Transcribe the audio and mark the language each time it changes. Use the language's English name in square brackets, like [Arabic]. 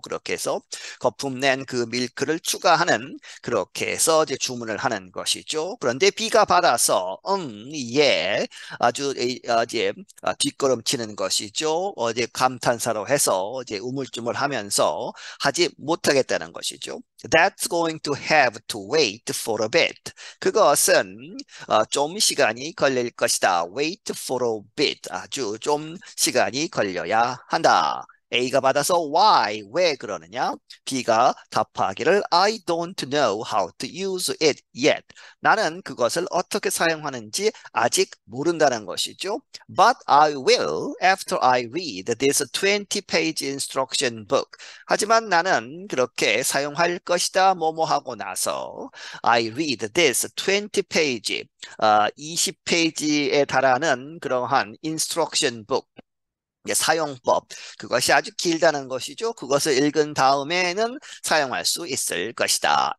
[Korean] 그렇게 해서 거품 낸그 밀크를 추가하는 그렇게 해서 이제 주문을 하는 것이죠. 그런데 B가 받아서 예, 아주 이제 뒷걸음 치는 것이죠. 이제 감탄사로 해서 이제 우물쭈물 하면서 하지 못하겠다는 것이죠. [English] That's going to have to wait for a bit. [Korean] 그것은 좀 시간이 걸릴 것이다. [English] Wait for a bit. [Korean] 아주 좀 시간이 걸려야 한다. A가 받아서 [English] why? [Korean] 왜 그러느냐? B가 답하기를 [English] I don't know how to use it yet. [Korean] 나는 그것을 어떻게 사용하는지 아직 모른다는 것이죠. [English] But I will after I read this 20-page instruction book. [Korean] 하지만 나는 그렇게 사용할 것이다. 뭐뭐 하고 나서 [English] I read this 20-page, [Korean] 20페이지에 달하는 그러한 [English] instruction book. [Korean] 사용법. 그것이 아주 길다는 것이죠. 그것을 읽은 다음에는 사용할 수 있을 것이다.